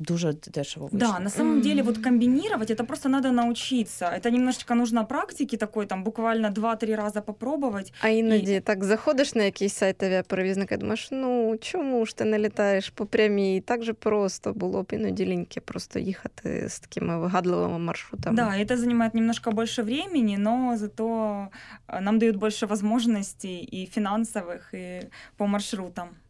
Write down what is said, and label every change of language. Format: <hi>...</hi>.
<uk>Дуже дешево вийшло.</uk> <ru>Да, на самом деле, вот комбинировать, это просто надо научиться. Это немножечко нужно практики такой, там, буквально 2-3 раза попробовать.</ru> <uk>А іноді так заходиш на якийсь сайт авіаперевізника, думаєш, ну, чому ж ти не літаєш по прямій? Так же просто було б іноді ліньки просто їхати з такими вигадливими маршрутами.</uk> <ru>Да, это занимает немножко больше времени, но зато нам</ru> <uk>дають більше</uk> <ru>возможностей і фінансових, і по маршрутам.</ru>